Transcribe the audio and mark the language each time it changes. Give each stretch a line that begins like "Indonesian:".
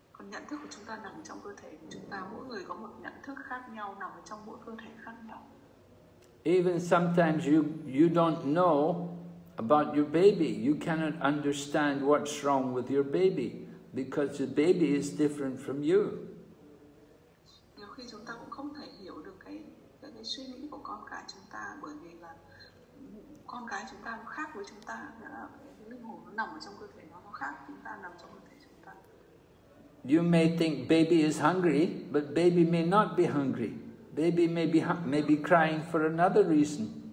Vietnamese: Nhận thức của chúng ta nằm trong cơ thể của chúng ta, mỗi người có một nhận thức khác nhau nằm trong mỗi cơ thể khác nhau.
English: Even sometimes you don't know about your baby, you cannot understand what's wrong with your baby because the baby is different from you.
Vietnamese: Nhiều khi chúng ta cũng không thể hiểu được cái suy nghĩ của con cái chúng ta bởi vì là con cái chúng ta khác với chúng ta, nghĩa là linh hồn nó nằm ở trong cơ thể nó khác chúng ta nằm trong.
English: You may think baby is hungry, but baby may not be hungry. Baby may be crying for another reason.